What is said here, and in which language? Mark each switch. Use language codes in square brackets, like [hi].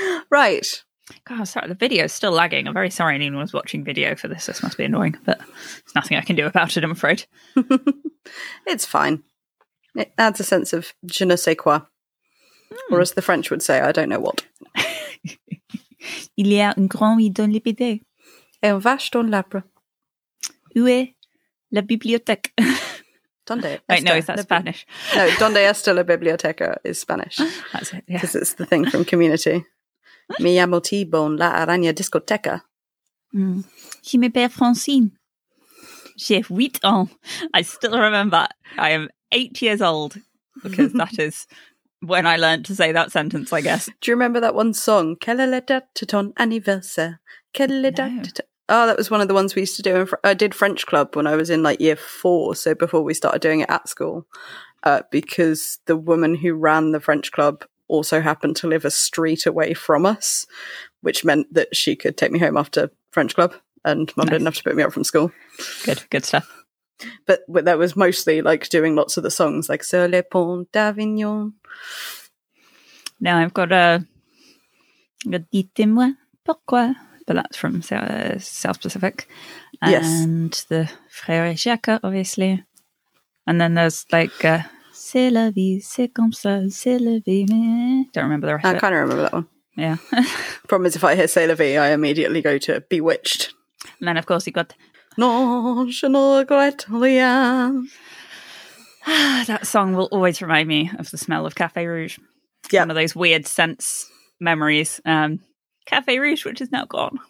[en] Right. God, sorry, the video is still lagging. I'm very sorry anyone was watching video for this. This must be annoying, but there's nothing I can do about it, I'm afraid. It's fine. It adds a sense of je ne sais quoi. Mm. Or as the French would say, I don't know what. [fr] Il y a un grand vide dans l'épidé. Un vache dans l'arbre. Où est la bibliothèque? [es] Donde esta? [en] Wait, no, is that Spanish? No, [es] donde esta la biblioteca [en] is Spanish. That's it, yeah. Because it's the thing from Community. [es] Mi llamo T-Bone, la araña discoteca. [fr] Je m'appelle Francine. J'ai 8 ans. [en] I still remember. I am 8 years old. Because that is... when I learned to say that sentence, I guess. Do you remember that one song? [fr] Quelle est la date de ton anniversaire? Quelle est la date de ton... [en] Oh, that was one of the ones we used to do. I did French Club when I was in like year 4, so before we started doing it at school, because the woman who ran the French Club also happened to live a street away from us, which meant that she could take me home after French Club, and Mum didn't have to pick me up from school. Good stuff. But that was mostly like doing lots of the songs like Sur les Ponts d'Avignon. Now I've got Dites-moi pourquoi, but that's from South Pacific. Yes. And the Frère Jacques, obviously. And then there's like [fr] C'est la vie, c'est comme ça, c'est la vie. [en] Don't remember the rest. I kind of remember that one. Yeah. Problem is, if I hear C'est la vie, I immediately go to Bewitched. And then, of course, you've got. [fr] Non, je ne regrette rien. [en] That song will always remind me of the smell of Café Rouge. Yeah. One of those weird sense memories. Café Rouge, which is now gone.